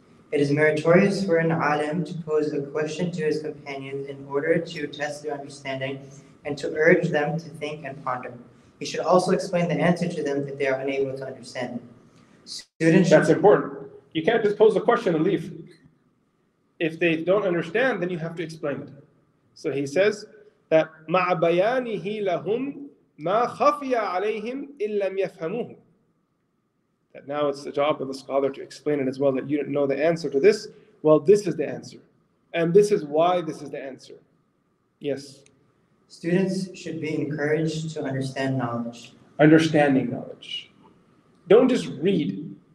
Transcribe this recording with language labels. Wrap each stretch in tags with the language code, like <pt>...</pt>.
<en>It is meritorious for an alim to pose a question to his companions in order to test their understanding and to urge them to think and ponder. He should also explain the answer to them if they are unable to understand it. That's important. You can't just pose a question and leave. If they don't understand, then you have to explain it.</en> <ar>So he says that مع بيانه لهم ما خفي عليهم إن لم يفهموه.</ar> <en>That now it's the job of the scholar to explain it as well, that you didn't know the answer to this. Well, this is the answer. And this is why this is the answer. Yes. Students should be encouraged to understand knowledge. Understanding knowledge. Don't just read.</en>